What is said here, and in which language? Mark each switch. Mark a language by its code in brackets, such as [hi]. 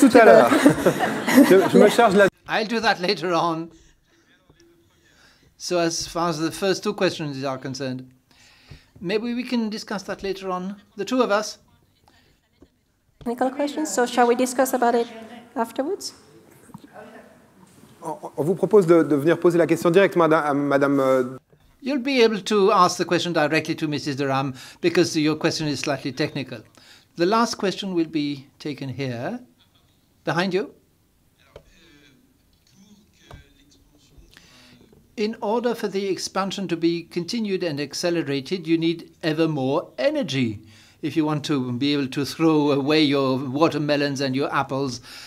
[en] I'll do that later on. So as far as the first two questions are concerned, maybe we can discuss that later on, the two of us. Technical questions, so shall we discuss about it afterwards? [fr] On vous propose de venir poser la question directement à Madame. [en] You'll be able to ask the question directly to Mrs. de Rham because your question is slightly technical. The last question will be taken here, behind you. In order for the expansion to be continued and accelerated, you need ever more energy if you want to be able to throw away your watermelons and your apples.